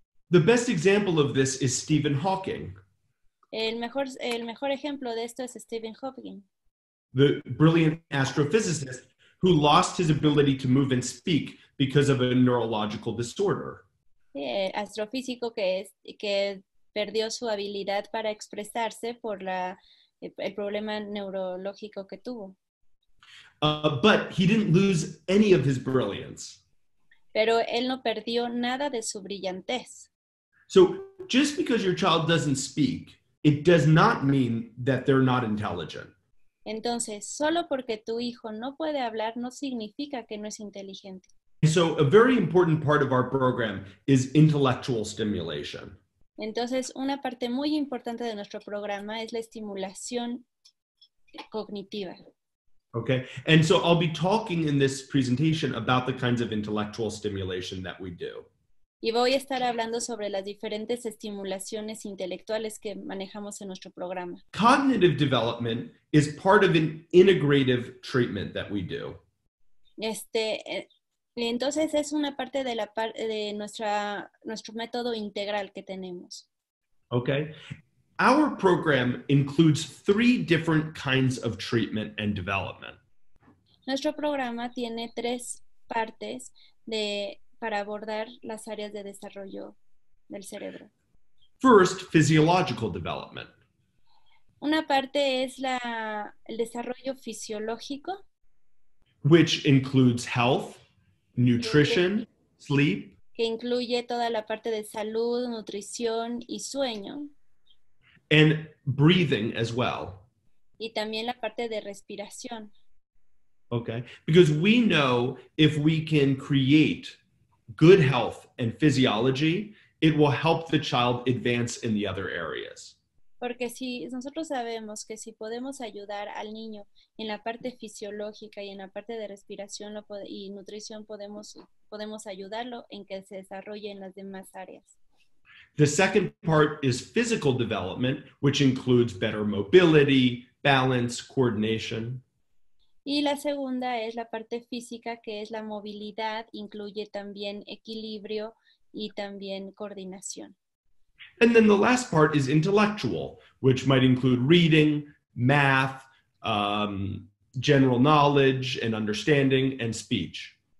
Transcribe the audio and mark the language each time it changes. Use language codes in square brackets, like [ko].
[en] The best example of this is Stephen Hawking. [es] El mejor ejemplo de esto es Stephen Hawking. [en] The brilliant astrophysicist who lost his ability to move and speak because of a neurological disorder. [es] El astrofísico que perdió su habilidad para expresarse por el problema neurológico que tuvo. [en] But he didn't lose any of his brilliance. [es] Pero él no perdió nada de su brillantez. [en] So just because your child doesn't speak, it does not mean that they're not intelligent. [es] Entonces, solo porque tu hijo no puede hablar no significa que no es inteligente. [en] So a very important part of our program is intellectual stimulation. [es] Entonces, una parte muy importante de nuestro programa es la estimulación cognitiva. [en] Okay, and so I'll be talking in this presentation about the kinds of intellectual stimulation that we do. [es] Y voy a estar hablando sobre las diferentes estimulaciones intelectuales que manejamos en nuestro programa. [en] Cognitive development is part of an integrative treatment that we do. [es] Entonces es una parte de nuestro método integral que tenemos. [en] Okay. Our program includes 3 different kinds of treatment and development. [es] Nuestro programa tiene 3 partes para abordar las áreas de desarrollo del cerebro. [en] First, physiological development. [es] Una parte es el desarrollo fisiológico, [en] which includes health, nutrition, sleep, [es] que incluye toda la parte de salud, nutrición y sueño, [en] and breathing as well, [es] Y también la parte de respiración. [en] Okay, because we know if we can create good health and physiology, it will help the child advance in the other areas. [es] Porque si nosotros sabemos que si podemos ayudar al niño en la parte fisiológica y en la parte de respiración y nutrición, podemos ayudarlo en que se desarrolle en las demás áreas. [en] The second part is physical development, which includes better mobility, balance, coordination. [es] Y la segunda es la parte física, que es la movilidad, incluye también equilibrio y también coordinación. [en] And then the last part is intellectual, which might include reading, math, general knowledge and understanding, and speech.